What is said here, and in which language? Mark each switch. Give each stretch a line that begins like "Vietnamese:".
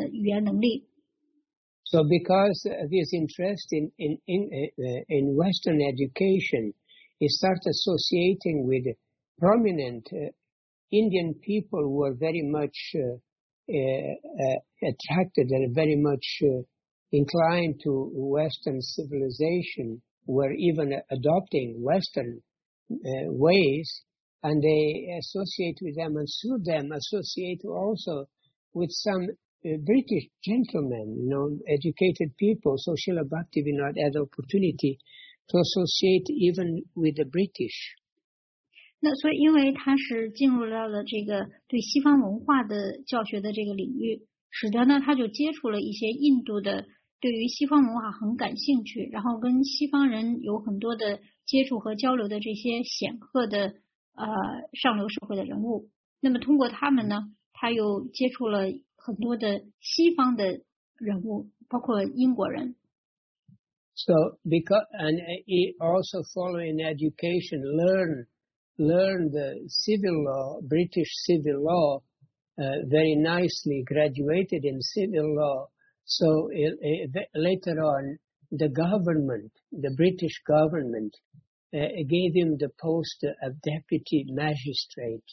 Chinese: 因为呢，作为老师用英文来教学，这样他就可以来提升他的英文的语言能力。
English: So because of his interest in Western education, he started associating with prominent Indian people who are very much attracted and very much inclined to Western civilization, were even adopting Western ways, and they associate with them, and through them associate also with some British gentlemen, you know, educated people. So Srila Bhaktivinoda had the opportunity to associate even with the British.
Chinese: 那所以因为他是进入到了这个对西方文化的教学的这个领域，使得呢他就接触了一些印度的对于西方文化很感兴趣，然后跟西方人有很多的接触和交流的这些显赫的上流社会的人物。那么通过他们呢，他又接触了很多的西方的人物，包括英国人。
English: So because and he also following education learned the civil law, British civil law, very nicely, graduated in civil law. So later on, the government, the British government, gave him the post of deputy magistrate.